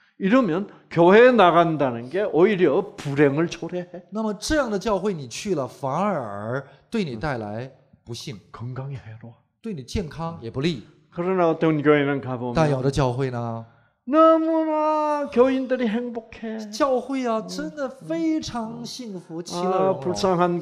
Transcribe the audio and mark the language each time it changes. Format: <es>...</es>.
<ko>이러면 교회 나간다는 게 오히려 불행을 초래해.</ko> <zh>那么这样的教会你去了反而对你带来不幸。</zh> <ko>건강에 해로.</ko> <zh>对你健康也不利。</zh> <ko>그러나 어떤 교회는 가보면</ko> <zh>但有的教会呢？</zh> <ko>너무나 교인들이 행복해.</ko> <zh>教会啊，真的非常幸福，其乐融融。</zh> <ko>불쌍한</ko>